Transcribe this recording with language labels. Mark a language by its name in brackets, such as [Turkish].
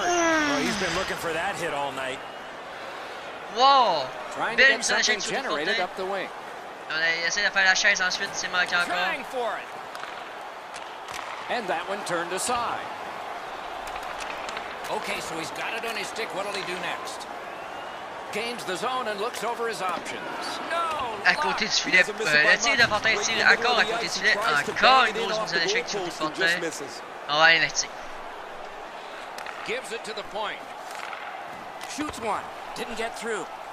[English] Well, he's been looking for that hit all night. [French] Wow! Belle mise en échec sur Fortin. [English] Up the wing. [French] On a essayé de faire la chaise ensuite, c'est manqué encore. [English] And that one turned aside. Okay, so he's got it on his stick. What'll he do next? Gains the zone and looks over his options. No. [French] À côté du filet, le tir de Fortin tire encore à côté du filet. Encore une grosse mise en échec du côté de Fortin. On va aller là-dessus. [English] Gives it to the point. Shoots one. Didn't get through.